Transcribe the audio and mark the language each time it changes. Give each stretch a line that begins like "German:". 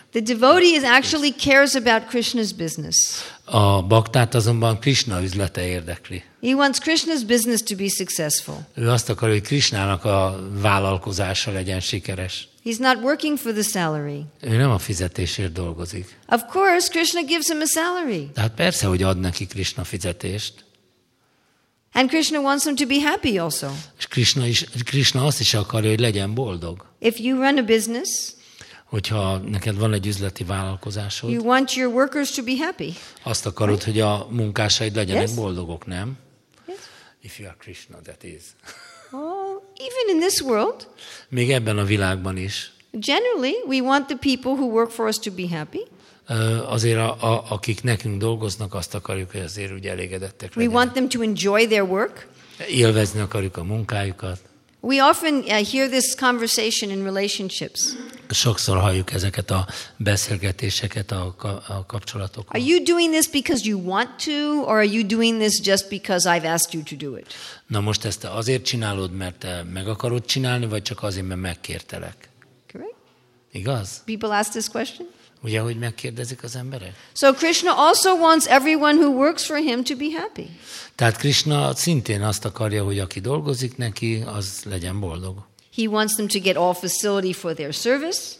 English: The devotee is actually cares about Krishna's business.
Hungarian: A baktát azonban Krishna üzlete érdekli.
English: He wants Krishna's business to be successful.
Hungarian: Ő azt akarja, hogy Krishnának a vállalkozása legyen sikeres.
English: He's not working for the salary.
Hungarian: Ő nem a fizetésért dolgozik.
English: Of course, Krishna gives him a salary.
Hungarian: De hát persze, hogy ad neki Krishna fizetést.
English: And Krishna wants him to be happy also.
Hungarian: És Krishna azt is akarja, hogy legyen boldog.
English: If you run a business,
Hungarian: hogyha neked van egy üzleti vállalkozásod,
English: you want your workers to be happy.
Hungarian: Azt akarod,
English: right?
Hungarian: Hogy a munkásaid legyenek,
English: yes?
Hungarian: Boldogok, nem?
English: Yes. If you are Krishna, that is. Even in this world,
Hungarian: még ebben a világban is.
English: Generally, we want the people who work for us to be happy.
Hungarian: Azért akik nekünk dolgoznak, azt akarjuk, hogy azért úgy elégedettek legyenek.
English: We want them to enjoy their work.
Hungarian: Élvezni akarjuk a munkájukat.
English: We often hear this conversation in relationships.
Hungarian: Sokszor halljuk ezeket a beszélgetéseket a kapcsolatokon.
English: Are you doing this because you want to, or are you doing this just because I've asked you to do it?
Hungarian: Na most ezt azért csinálod, mert te meg akarod csinálni, vagy csak azért, mert megkértelek?
English: Correct.
Hungarian: Igaz?
English: People ask this question.
Hungarian: Ugye, hogy megkérdezik az emberek?
English: So Krishna also wants everyone who works for him to be happy.
Hungarian: Tehát Krishna szintén azt akarja, hogy aki dolgozik neki, az legyen boldog.
English: He wants them to get all facility for their service.